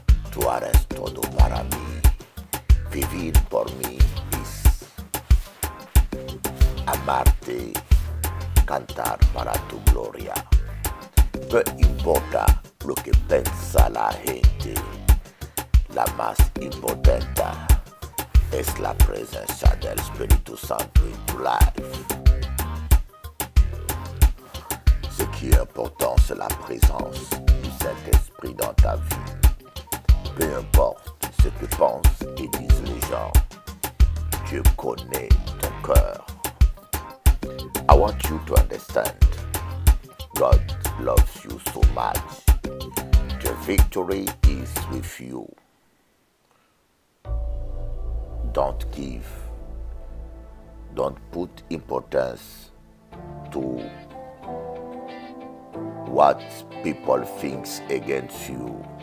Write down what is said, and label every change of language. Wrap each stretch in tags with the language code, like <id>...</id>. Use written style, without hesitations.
<es>Tú eres todo para mí, vivir por mí es amarte, cantar para tu gloria. No importa lo que piensa la gente, la más importante es la presencia del Espíritu Santo en tu</es> <en>life.</en> <fr>Ce qui est important, c'est la présence du Saint-Esprit dans ta vie. Peu importe ce que pensent et disent les gens, Dieu connaît ton cœur.</fr> <en>I want you to understand, God loves you so much. The victory is with you. Don't give. Don't put importance to what people thinks against you.</en>